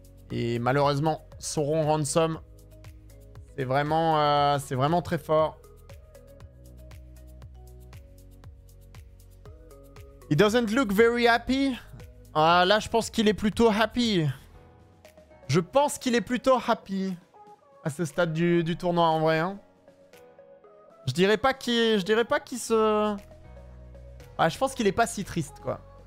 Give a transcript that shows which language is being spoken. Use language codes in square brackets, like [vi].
[fr] Et malheureusement, Sauron Ransom, c'est vraiment très fort. [en] He doesn't look very happy. [fr] Là, je pense qu'il est plutôt happy. Je pense qu'il est plutôt happy à ce stade du tournoi, en vrai. Hein. Je dirais pas qu'il se... Ah, je pense qu'il est pas si triste, quoi.